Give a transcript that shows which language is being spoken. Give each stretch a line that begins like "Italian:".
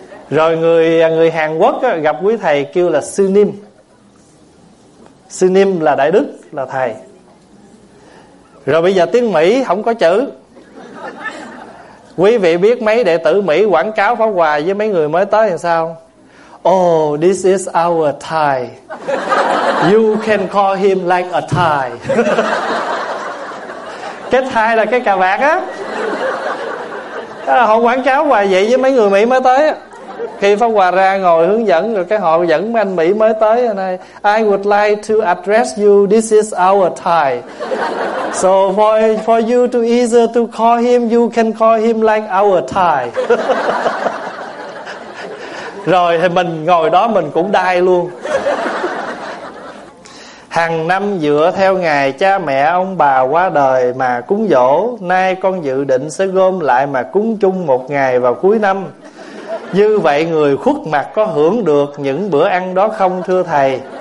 Vietnamese: Rồi người Hàn Quốc á, gặp quý thầy kêu là Sư Nim. Sư Nim là Đại Đức, là thầy. Rồi bây giờ tiếng Mỹ không có chữ. Quý vị biết mấy đệ tử Mỹ quảng cáo Pháp Hòa với mấy người mới tới làm sao?
English: Oh, this is our Thai. You can call him like a Thai.
Vietnamese: Cái Thai là cái cà vạt á. Họ quảng cáo hoài vậy với mấy người Mỹ mới tới. Khi Pháp Hòa ra ngồi hướng dẫn, rồi cái họ dẫn mấy anh Mỹ mới tới này.
English: I would like to address you, this is our Thai. So for you to either to call him, you can call him like our Thai.
Vietnamese: Rồi thì mình ngồi đó mình cũng đai luôn. Hằng năm dựa theo ngày cha mẹ ông bà qua đời mà cúng dỗ, nay con dự định sẽ gom lại mà cúng chung một ngày vào cuối năm. Như vậy người khuất mặt có hưởng được những bữa ăn đó không thưa thầy?